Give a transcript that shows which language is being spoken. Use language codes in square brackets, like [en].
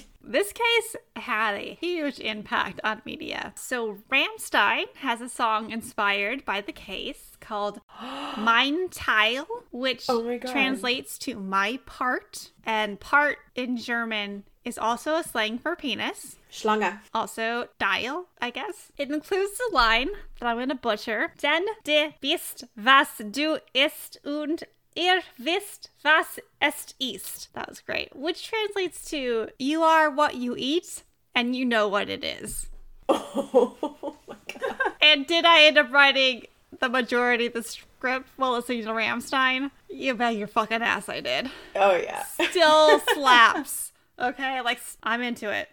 [en] This case had a huge impact on media. So Rammstein has a song inspired by the case called Mein Teil, which translates to my part. And part in German is also a slang for penis. [de] Schlange. [en] Also, dial, I guess. It includes the line that I'm going to butcher. [de] Denn du bist, was du ist und ihr wisst, was es ist. [en] That was great. Which translates to, you are what you eat and you know what it is. Oh my god. And did I end up writing the majority of the script while listening to Rammstein? You bet your fucking ass I did. Oh yeah. Still slaps. Okay, like, I'm into it.